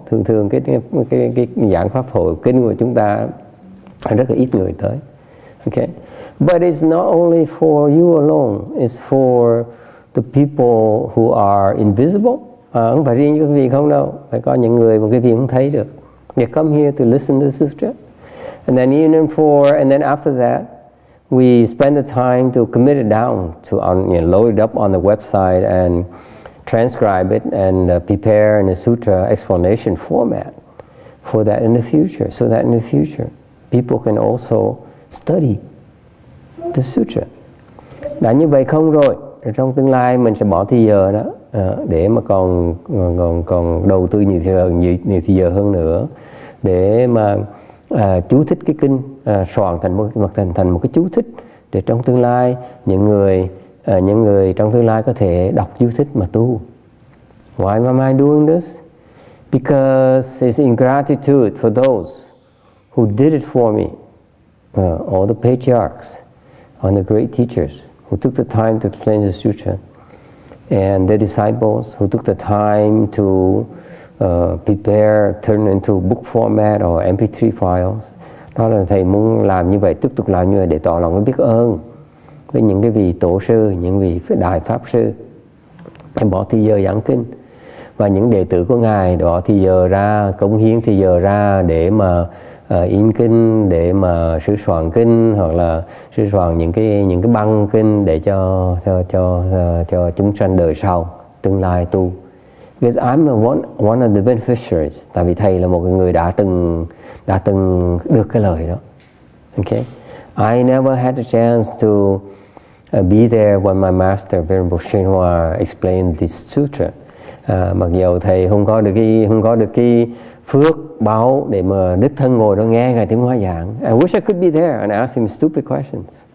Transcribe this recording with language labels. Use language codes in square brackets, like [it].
[vi] Thường thường cái giảng pháp hội kinh của chúng ta rất là ít người tới. [en] Okay, but it's not only for you alone. It's for the people who are invisible. [vi] Không phải riêng quý vị không đâu. Phải có những người mà quý vị không thấy được. [en] They come here to listen to the sutra. And then after that, we spend the time to commit it down, to load it up on the website and transcribe it and prepare in a sutra explanation format for that in the future, so that in the future people can also study the sutra. [vi] Đã như vậy không rồi, trong tương lai mình sẽ bỏ thời giờ đó để mà còn đầu tư nhiều thời giờ hơn nữa để mà chú thích cái kinh, soạn thành một cái chú thích để trong tương lai những người trong tương lai có thể đọc chú thích mà tu. [en] Why am I doing this? Because it's in gratitude for those who did it for me, all the patriarchs and the great teachers who took the time to explain the sutra, and the disciples who took the time to prepare, turn into book format or MP3 files. [vi] Đó là thầy muốn làm như vậy, tiếp tục làm như vậy để tỏ lòng biết ơn với những cái vị tổ sư, những vị đại pháp sư bỏ thời giờ giảng kinh, và những đệ tử của ngài bỏ thời giờ ra, cống hiến thời giờ ra để mà in kinh, để mà sửa soạn kinh, hoặc là sửa soạn những cái băng kinh để cho chúng sanh đời sau, tương lai tu. [en] Because I'm one of the beneficiaries. [vi] Tại vì thầy là một người đã từng được cái lời đó. Okay, [en] I never had a chance to be there when my master Venerable Xuanhua explained this sutra. [vi] Mặc dù thầy không có được cái phước báo để mà đức thân ngồi đó nghe ngài Tiếng Hoa giảng. [en] I wish I could be there and ask him stupid questions.